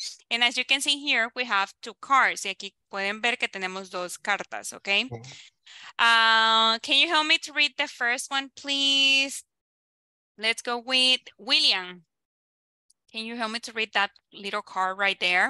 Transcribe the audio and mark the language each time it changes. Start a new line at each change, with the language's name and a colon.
English: And as you can see here, we have two cards.
Spanish: Y aquí pueden ver que tenemos dos cartas, ok.
English: Can you help me to read the first one, please? Let's go with William. Can you help me to read that little card right there?